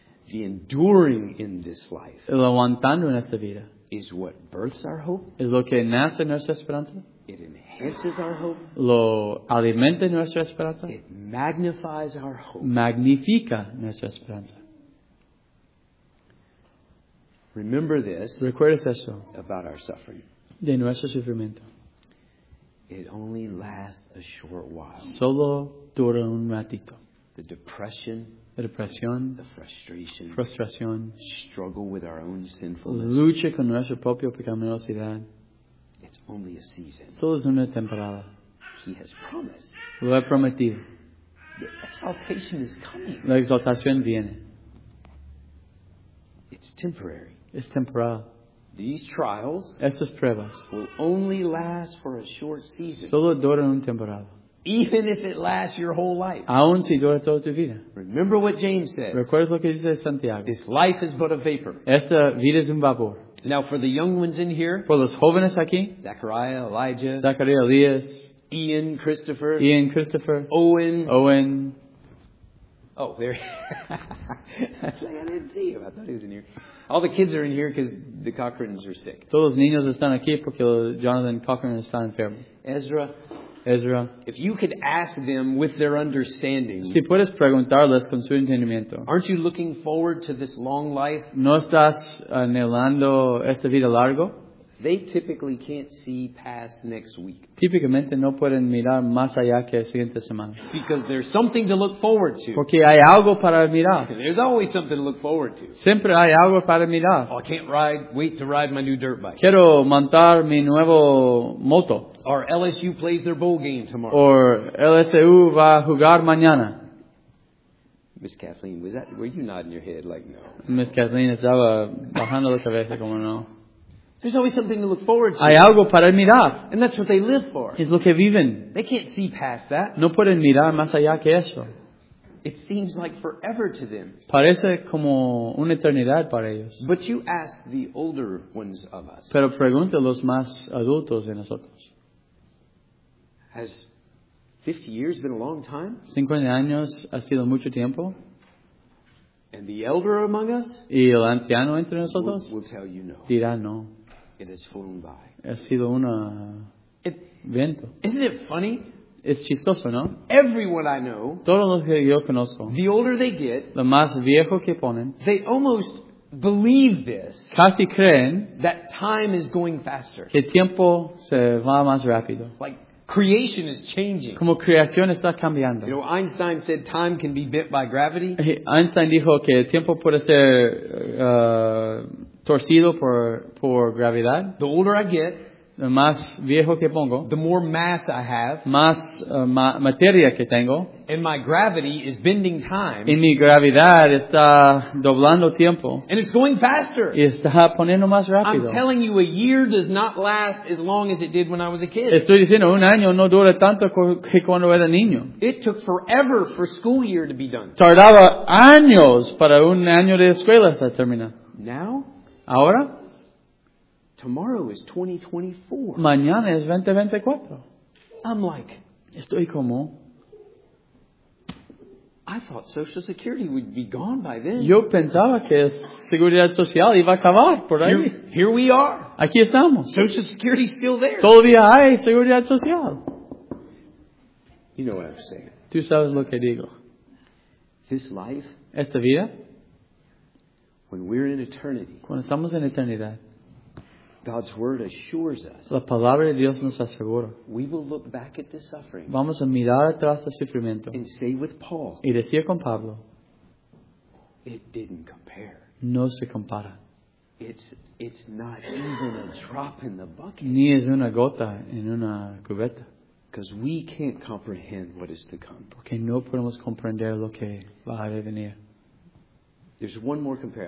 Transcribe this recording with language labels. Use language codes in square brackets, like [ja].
[en] The enduring in this life. [es] El aguantando en esta vida. [en] Is what births our hope? [es] Es lo que nace nuestra esperanza? [en] It enhances our hope. [es] Lo alimenta nuestra esperanza. [en] It magnifies our hope. [es] Magnifica nuestra esperanza. [en] Remember this. [es] Recuerdes eso. [en] About our suffering. [es] De nuestro sufrimiento. [en] It only lasts a short while. [es] Solo dura un ratito. [en] The depression. [es] La depresión. [en] The frustration. [es] Frustración. [en] Struggle with our own sinfulness. [es] Lucha con nuestra propia pecaminosidad. [en] It's only a season. [es] Solo es una temporada. [en] He has promised. [es] Lo ha prometido. [en] The exaltation is coming. [es] La exaltación viene. [en] It's temporary. [es] Es temporal. [en] These trials. [es] Estas pruebas. [en] Will only last for a short season. [es] Solo duran un temporada. [en] Even if it lasts your whole life. [es] Aun si dura toda tu vida. [en] Remember what James says. [es] Recuerdas lo que dice Santiago. [en] This life is but a vapor. [es] Esta vida es un vapor. [en] Now for the young ones in here. [es] Por los jóvenes aquí. [en] Zachariah, Elijah. [es] Zachariah, Elias. [en] Ian, Christopher. [es] Ian, Christopher. [en] Owen. [es] Owen. [en] Oh, there he is. I didn't see him. I thought he was in here. All the kids are in here because the Cochran's are sick. [es] Todos los niños están aquí porque Jonathan Cochran está enfermo. [en] Ezra. [es] Ezra. [en] If you could ask them with their understanding. [es] Si puedes preguntarles con su entendimiento. [en] Aren't you looking forward to this long life? [es] ¿No estás anhelando esta vida largo? [en] They typically can't see past next week. [es] Típicamente no pueden mirar más allá que la siguiente semana. [en] Because there's something to look forward to. [es] Porque hay algo para mirar. [en] There's always something to look forward to. [es] Siempre hay algo para mirar. [en] Oh, I can't wait to ride my new dirt bike. [es] Quiero montar mi nuevo moto. [en] Or LSU plays their bowl game tomorrow. Or [es] LSU va a jugar mañana. [en] Miss Kathleen, were you nodding your head like no? [es] Miss Kathleen estaba bajando la cabeza como no. [en] There's always something to look forward to. [es] Hay algo para mirar. [en] And that's what they live for. [es] Es lo que viven. [en] They can't see past that. [es] No pueden mirar más allá que eso. [en] It seems like forever to them. [es] Parece como una eternidad para ellos. [en] But you ask the older ones of us. [es] Pero pregunta a los más adultos de nosotros. [en] Has 50 years been a long time? [es] 50 años ha sido mucho tiempo. [en] And the elder among us? [es] Y el anciano entre nosotros? [en] Will tell you no. [es] Dirá no. [en] It has flown by. [es] Ha sido un viento. [en] Isn't it funny? [es] Es chistoso, ¿no? [en] Everyone I know. [es] Todos los que yo conozco. [en] The older they get. [es] Lo más viejo que ponen. [en] They almost believe this. [es] Casi creen. [en] That time is going faster. [es] Que el tiempo se va más rápido. [en] Like creation is changing. [es] Como creación está cambiando. [en] You know, Einstein said time can be bit by gravity. [es] Einstein dijo que el tiempo puede ser torcido por gravedad. [en] The older I get, [es] el más viejo que pongo, [en] the more mass I have, [es] más materia que tengo, [en] and my gravity is bending time. [es] Y mi gravedad está doblando tiempo. [en] And it's going faster. [es] Y está poniendo más rápido. [en] I'm telling you, a year does not last as long as it did when I was a kid. [es] Estoy diciendo, un año no dura tanto que cuando era niño. [en] It took forever for school year to be done. [es] Tardaba años para un año de escuela estar terminado. [en] Now? [es] Ahora? [en] Tomorrow is 2024. [es] Mañana es 2024. [en] I'm like, [es] estoy como, [en] I thought Social Security would be gone by then. [es] Yo pensaba que Seguridad Social iba a acabar por ahí. [en] Here we are. [es] Aquí estamos. [en] Social Security is still there. [es] Todavía hay Seguridad Social. [en] You know what I'm saying. [es] Tú sabes lo que digo. [en] This life. [es] Esta vida. [en] When we're in eternity. [es] Cuando estamos en eternidad. [en] God's word assures us. [es] La palabra de Dios nos asegura. [en] We will look back at this suffering. [es] Vamos a mirar atrás al sufrimiento. [en] And say with Paul. [es] Y decir con Pablo. [en] It didn't compare. [es] No se compara. [en] It's not even a drop in the bucket. [es] Ni es una gota en una cubeta. [en] Because we can't comprehend what is to come. [es] Porque no podemos comprender lo que va a venir. [en] There's one more compare.